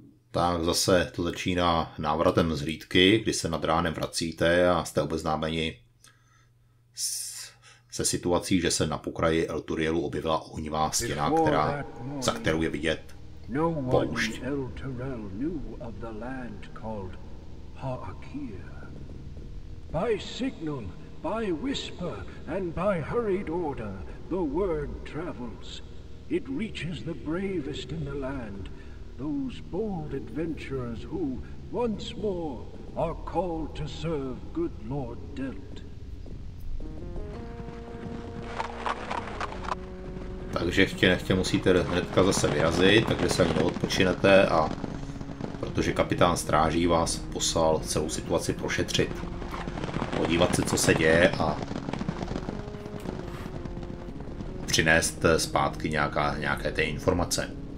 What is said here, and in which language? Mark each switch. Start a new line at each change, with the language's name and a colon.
Czech: Tak zase to začíná návratem z hlídky, kdy se nad ránem vracíte a jste obeznámeni se situací, že se na pokraji El Turielu objevila ohnivá stěna, která, za kterou je vidět poušť.
English: El Turiel knew of the land called Ha'akir. By signal, by whisper and by hurried order, the word travels. It reaches the bravest in the land. Those bold adventurers who, once more, are called to serve good Lord Delt.
Czech: Takže chtě nechtě musíte hnedka zase vyrazit, takže se hned odpočinete a protože kapitán stráží vás poslal celou situaci prošetřit. Podívat se, co se děje a přinést zpátky nějaké ty informace.